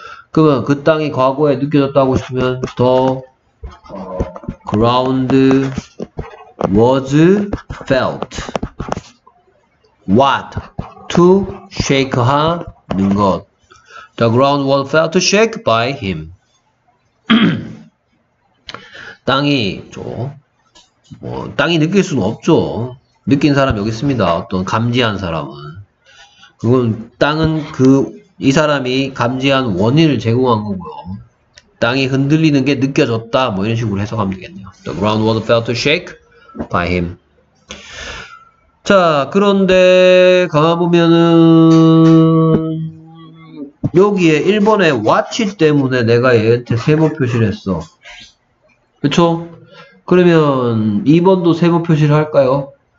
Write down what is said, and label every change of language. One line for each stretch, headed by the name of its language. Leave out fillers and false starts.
Korean: 그러면 그 땅이 과거에 느껴졌다고 싶으면 더 ground was felt what to shake 하는 것
English: the ground was felt to shake by him
Korean: 땅이 저, 뭐, 땅이 느낄 수는 없죠. 느낀 사람 여기 있습니다. 어떤 감지한 사람은 그건 땅은 그 이 사람이 감지한 원인을 제공한 거고요. 땅이 흔들리는 게 느껴졌다. 뭐 이런 식으로 해석하면 되겠네요.
English: The ground was felt to shake by him.
Korean: 자, 그런데 가만 보면은 여기에 1번에 watch 때문에 내가 얘한테 세모 표시를 했어. 그쵸? 그러면 2번도 세모 표시를 할까요?